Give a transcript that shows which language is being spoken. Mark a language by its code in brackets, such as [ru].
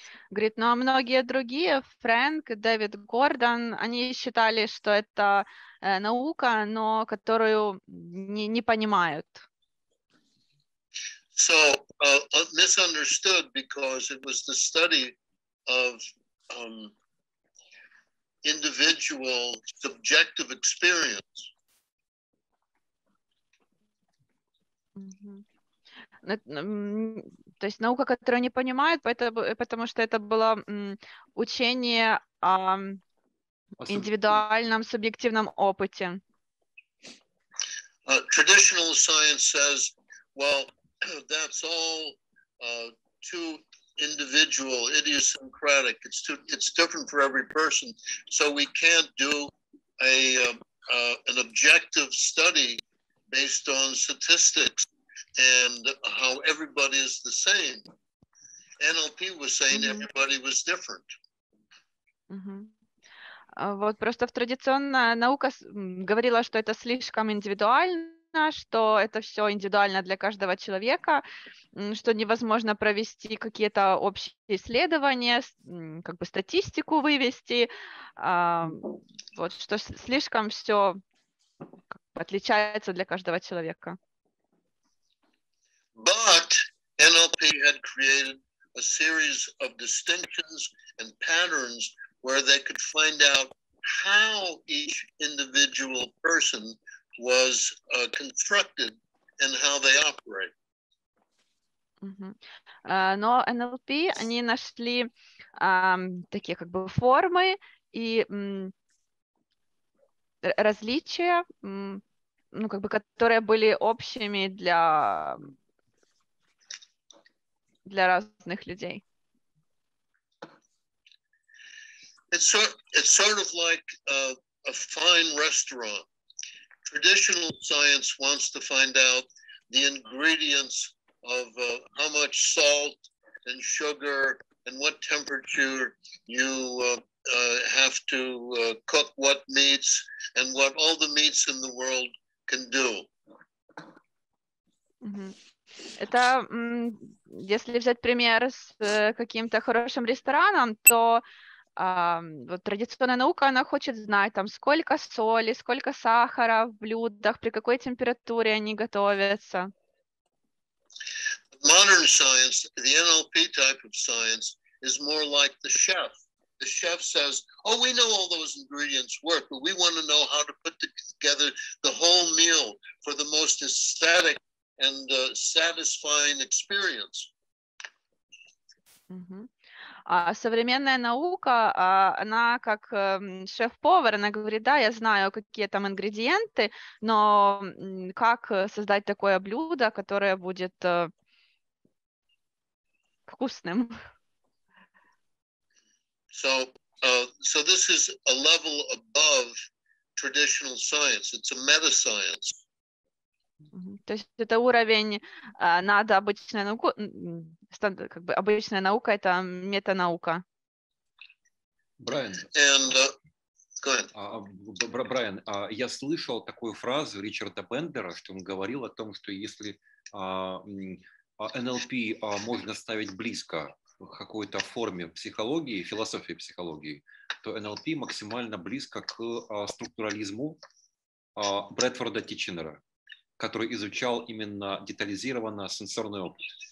[ru] Говорит, ну а многие другие, Фрэнк, Дэвид Гордон, они считали, что это наука, но которую не понимают. [en] So misunderstood because it was the study of individual subjective experience. [ru] То есть наука, которую не понимают, потому что это было учение о индивидуальном субъективном опыте. [en] Traditional science says, well, that's all too individual, idiosyncratic. It's different for every person. So we can't do an objective study based on statistics and how everybody is the same. NLP was saying everybody was different. [ru] Вот просто в традиционная наука говорила, что это слишком индивидуально, что это все индивидуально для каждого человека, что невозможно провести какие-то общие исследования, как бы статистику вывести, вот, что слишком все отличается для каждого человека. [en] But NLP had created a series of distinctions and patterns where they could find out how each individual person was constructed and how they operate. [ru] Но NLP, они нашли такие как бы формы и различия, ну, как бы, которые были общими для, для разных людей. [en] It's sort of like a fine restaurant. Traditional science wants to find out the ingredients of how much salt and sugar and what temperature you have to cook what meats and what all the meats in the world can do. Mm-hmm. [ru] Это, если взять пример с каким-то хорошим рестораном, то вот традиционная наука, она хочет знать, там, сколько соли, сколько сахара в блюдах, при какой температуре они готовятся. [en] Modern science, the NLP type of science, is more like the chef. The chef says, oh, we know all those ingredients work, but we want to know how to put together the whole meal for the most aesthetic and satisfying experience. Mm-hmm. [ru] Современная наука, она как шеф-повар, она говорит, да, я знаю, какие там ингредиенты, но как создать такое блюдо, которое будет вкусным? [en] So, so this is a level above traditional science. It's a meta-science. [ru] То есть это уровень над обычной наукой, как бы обычная наука это метанаука. Брайан. [en] And go ahead. [ru] Брайан, я слышал такую фразу Ричарда Бендлера, что он говорил о том, что если NLP можно ставить близко к какой-то форме психологии, философии психологии, то NLP максимально близко к структурализму Брэдфорда Тичнера, который изучал именно детализированно сенсорный опыт.